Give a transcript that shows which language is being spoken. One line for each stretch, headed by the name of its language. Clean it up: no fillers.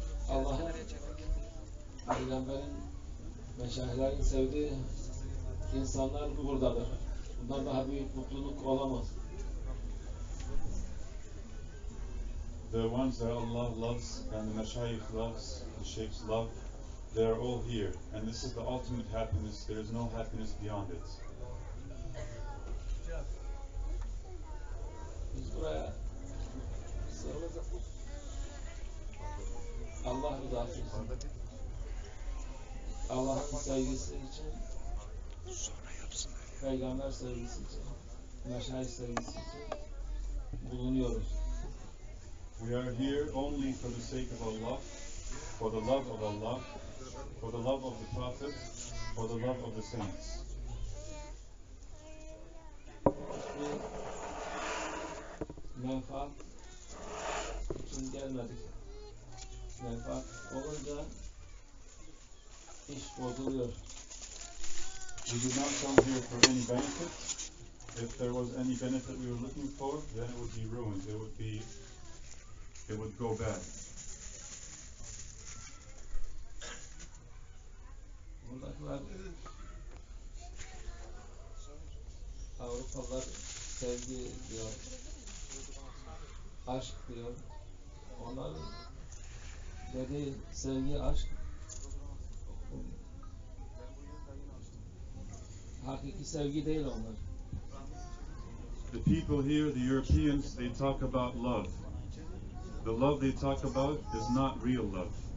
Turkish: Allah'ın peygamberin meşahilerin sevdiği insanlar buradadır. Bundan daha büyük mutluluk olamaz.
English: The ones that Allah loves and the Mashayikh loves, the Sheikhs love, they are all here. And this is the ultimate happiness. There is no happiness beyond it.
Turkish: Biz buraya Allah rızası için, Allah'ın sevgisi için, Peygamber sevgisi için, Mashayikh sevgisi için bulunuyoruz.
English: We are here only for the sake of Allah, for the love of Allah, for the love of the Prophet, for the love of the saints.
Turkish: Menfaat için gelmedik. Menfaat olunca iş bozuluyor.
English: We did not come here for any benefit. If there was any benefit we were looking for, then it would be ruined. It would go bad.
Turkish: Buradakiler Avrupalılar sevgi diyor, aşk diyor. Onlar dedi sevgi, aşk hakiki sevgi değil onlar.
English: The people here, the Europeans, they talk about love. The love they talk about is not real love.